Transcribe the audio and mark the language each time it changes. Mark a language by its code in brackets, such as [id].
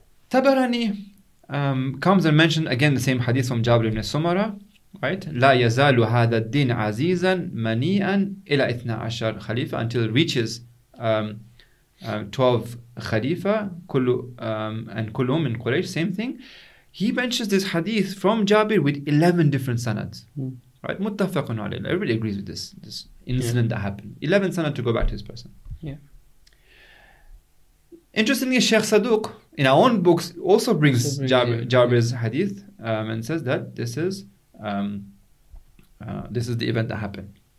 [en] Tabarani comes and mentions again the same hadith from Jabir ibn Sumara, right? [ar] لا يزال هذا الدين عزيزا منيعا إلى 12 خليفة, [en] until it reaches 12 [ar] خليفة كل, and كلهم من قريش, [en] same thing. He mentions this hadith from Jabir with 11 different sanads, right? [ar] متفق عليه. [en] Everybody agrees with this incident that happened. 11 sanad to go back to this person. Yeah. Interestingly, Sheikh Saduq, in our own books, also brings Jabir's hadith and says that this is the event that happened.